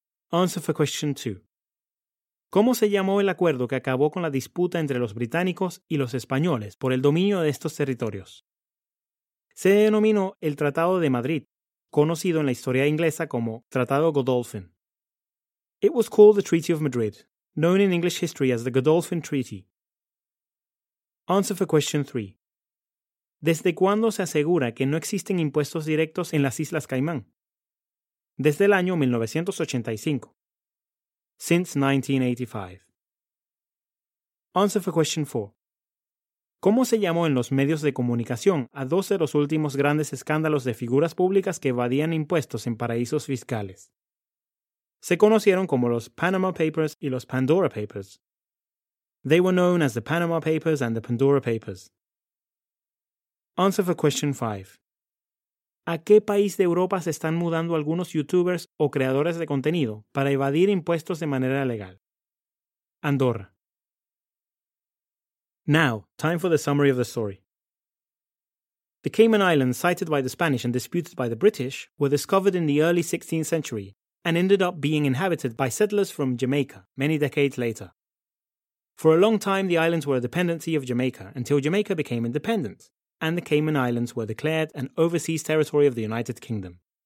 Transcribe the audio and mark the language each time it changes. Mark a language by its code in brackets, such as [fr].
[en] Answer for question 2. [es] ¿Cómo se llamó el acuerdo que acabó con la disputa entre los británicos y los españoles por el dominio de estos territorios? Se denominó el Tratado de Madrid, conocido en la historia inglesa como Tratado Godolphin. [en] It was called the Treaty of Madrid, known in English history as the Godolphin Treaty. Answer for question 3. [es] ¿Desde cuándo se asegura que no existen impuestos directos en las Islas Caimán? Desde el año 1985. [en] Since 1985. Answer for question 4. [es] ¿Cómo se llamó en los medios de comunicación a dos de los últimos grandes escándalos de figuras públicas que evadían impuestos en paraísos fiscales? Se conocieron como los Panama Papers y los Pandora Papers. [en] They were known as the Panama Papers and the Pandora Papers. Answer for question 5. [es] ¿A qué país de Europa se están mudando algunos youtubers o creadores de contenido para evadir impuestos de manera legal? Andorra. [en] Now, time for the summary of the story. The Cayman Islands, sighted by the Spanish and disputed by the British, were discovered in the early 16th century and ended up being inhabited by settlers from Jamaica many decades later. For a long time, the islands were a dependency of Jamaica until Jamaica became independent and the Cayman Islands were declared an overseas territory of the United Kingdom.